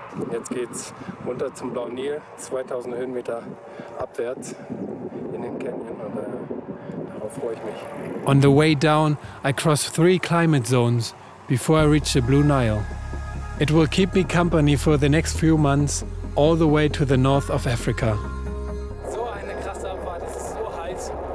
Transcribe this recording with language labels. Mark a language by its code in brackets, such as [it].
[de] Jetzt geht's runter zum Blauen Nil, 2000 Höhenmeter abwärts in den Canyon und darauf freue ich mich. [en] On the way down, I cross 3 climate zones before I reach the Blue Nile. It will keep me company for the next few months, all the way to the north of Africa. [de] So eine krasse Abfahrt, es ist so heiß.